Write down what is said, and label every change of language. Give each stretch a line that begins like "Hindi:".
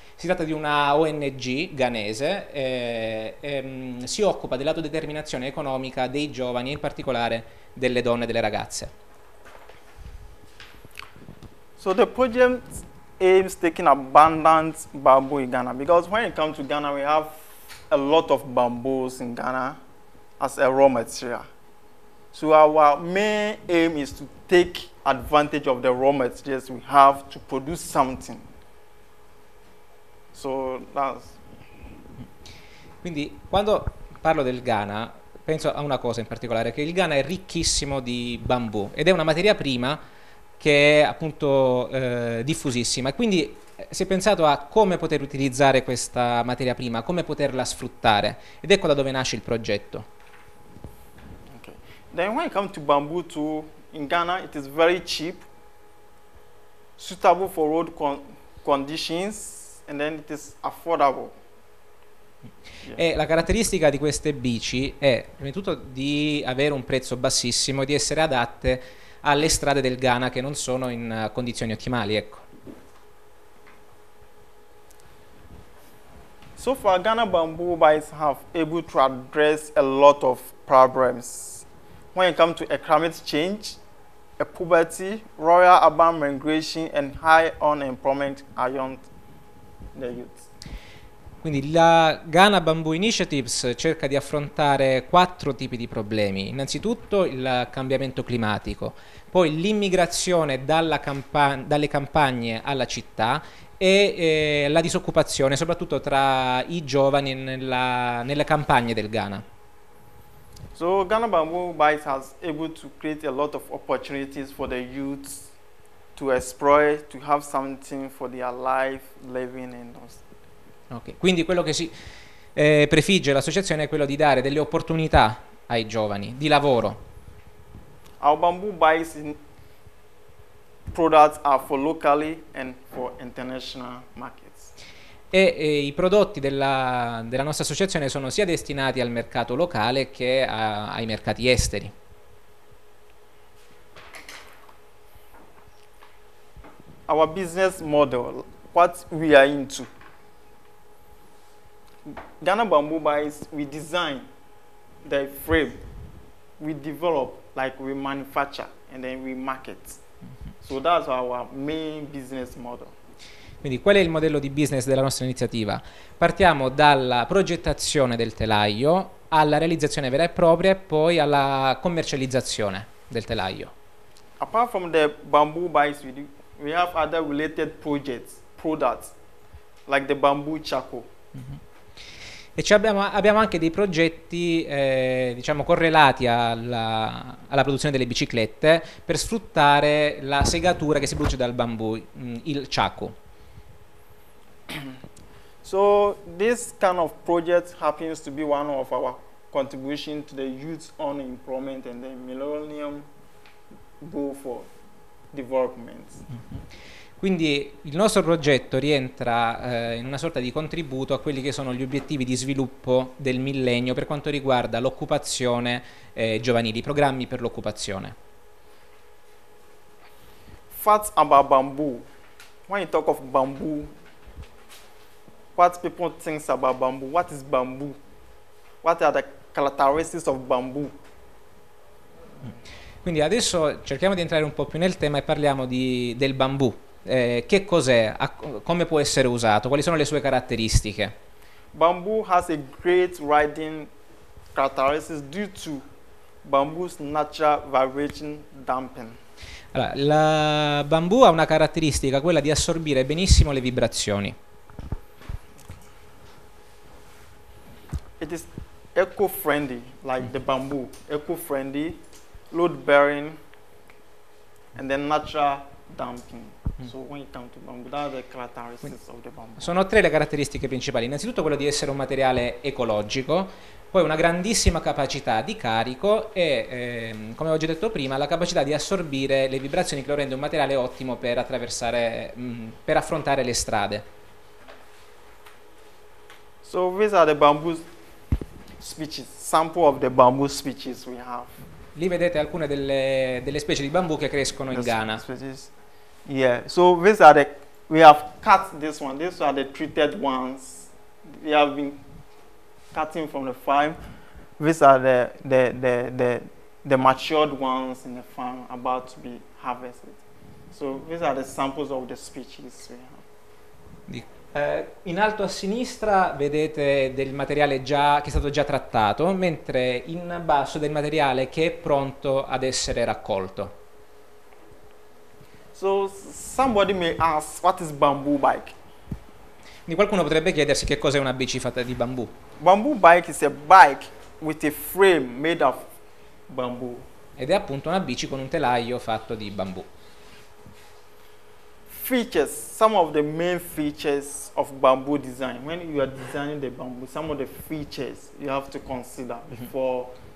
Italian: Si tratta di una ONG ghanese, si occupa dell'autodeterminazione economica dei giovani, in particolare delle donne e delle ragazze.
English: So the project aims taking abundant bamboo in Ghana, because when it comes to Ghana, we have a lot of bamboos in Ghana as a raw material. So our main aim is to take advantage of the raw materials we have to produce something. So that's.
Italian: Quindi quando parlo del Ghana, penso a una cosa in particolare, che il Ghana è ricchissimo di bambù ed è una materia prima che è appunto diffusissima. Quindi si è pensato a come poter utilizzare questa materia prima, come poterla sfruttare, ed ecco da dove nasce il progetto.
English: Okay. Then when it comes to bamboo too, in Ghana it is very cheap, suitable for road conditions, and then it is affordable.
Italian: E la caratteristica di queste bici è prima di tutto di avere un prezzo bassissimo e di essere adatte alle strade del Ghana che non sono in condizioni ottimali, ecco.
English: So far Ghana Bamboo Bites have able to address a lot of problems when it comes to a climate change, a poverty, rural urban migration and high unemployment among the youth.
Italian: Quindi la Ghana Bamboo Initiatives cerca di affrontare quattro tipi di problemi. Innanzitutto il cambiamento climatico, poi l'immigrazione dalle campagne alla città e la disoccupazione, soprattutto tra i giovani nelle campagne del Ghana.
English: So Ghana Bamboo Bites has able to create a lot of opportunities for the youth to explore, to have something for their life, living in those. Okay.
Italian: Quindi quello che si prefigge l'associazione è quello di dare delle opportunità ai giovani di lavoro.
English: Our bamboo bikes products are for locally and for international markets.
Italian: E i prodotti della nostra associazione sono sia destinati al mercato locale che ai mercati esteri.
English: Our business model, what we are into. Ghana Bamboo Bites, we design the frame, we develop, like we manufacture, and then we market. So that's our main business model.
Italian: Quindi qual è il modello di business della nostra iniziativa? Partiamo dalla progettazione del telaio alla realizzazione vera e propria e poi alla commercializzazione del telaio.
English: Apart from the bamboo bites, we have other related projects, products, like the bamboo charcoal.
Italian: E abbiamo anche dei progetti diciamo correlati alla produzione delle biciclette per sfruttare la segatura che si produce dal bambù, il chaco.
English: So this kind of project happens to be one of our contribution to the youth unemployment and the Millennium Goal for Development.
Italian: Quindi il nostro progetto rientra in una sorta di contributo a quelli che sono gli obiettivi di sviluppo del millennio per quanto riguarda l'occupazione giovanile, i programmi per l'occupazione.
English: Facts about bamboo. When you talk of bamboo, what people think about bamboo? What is bamboo? What are the characteristics of bamboo?
Italian: Quindi adesso cerchiamo di entrare un po' più nel tema e parliamo del bambù. Che cos'è? Come può essere usato? Quali sono le sue caratteristiche?
English: Bamboo has a great riding characteristics due to bamboo's natural vibration damping.
Italian: Allora, la bambù ha una caratteristica, quella di assorbire benissimo le vibrazioni.
English: It is eco-friendly, like the bamboo. Eco-friendly, load-bearing, and then natural damping. So when you come to bamboo, that are the characteristics of the bamboo.
Italian: Sono tre le caratteristiche principali. Innanzitutto quello di essere un materiale ecologico, poi una grandissima capacità di carico e, come ho già detto prima, la capacità di assorbire le vibrazioni che lo rende un materiale ottimo per attraversare, per affrontare le strade.
English: So these are the bamboo species, sample of the bamboo species we have.
Italian: Lì vedete alcune delle specie di bambù che crescono in Ghana.
English: Species. Yeah, so these are we have cut this one. These are the treated ones. We have been cutting from the farm. These are the matured ones in the farm about to be harvested. So these are the samples of the species we have.
Italian: In alto a sinistra vedete del materiale già che è stato già trattato, mentre in basso del materiale che è pronto ad essere raccolto.
English: So somebody may ask, what is bamboo bike?
Italian: Quindi qualcuno potrebbe chiedersi che cos'è una bici fatta di bambù.
English: Bamboo bike is a bike with a frame made of bamboo.
Italian: Ed è appunto una bici con un telaio fatto di bambù.
English: Features, some of the main features of bamboo design. When you are designing the bamboo, some of the features you have to consider before.